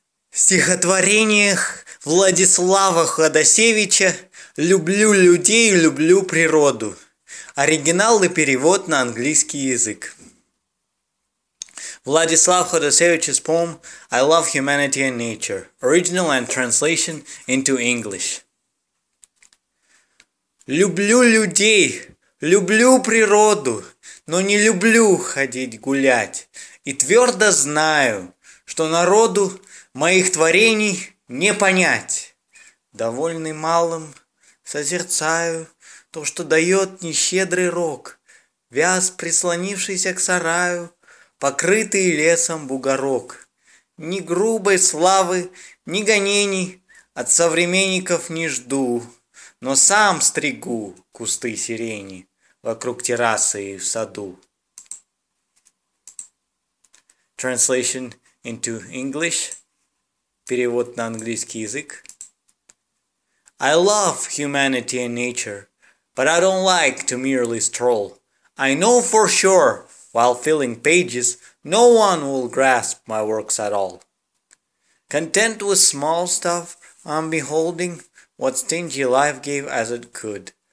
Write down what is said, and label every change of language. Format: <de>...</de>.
<ru>В стихотворениях Владислава Ходосевича «Люблю людей, люблю природу». Оригинал и перевод на английский язык.</ru> <en>Владислав Ходосевич's poem «I love humanity and nature». Original and translation into English.</en> <ru>«Люблю людей, люблю природу, но не люблю ходить гулять. И твердо знаю, что народу моих творений не понять. Довольный малым созерцаю то, что дает нещедрый рог, вяз прислонившийся к сараю, покрытый лесом бугорок. Ни грубой славы, ни гонений от современников не жду, но сам стригу кусты сирени вокруг террасы и в саду».</ru> <en>Translation into English.</en> <ru>Перевод на английский язык.</ru> <en>I love humanity and nature, but I don't like to merely stroll. I know for sure, while filling pages, no one will grasp my works at all. Content with small stuff, I'm beholding what stingy life gave as it could.</en>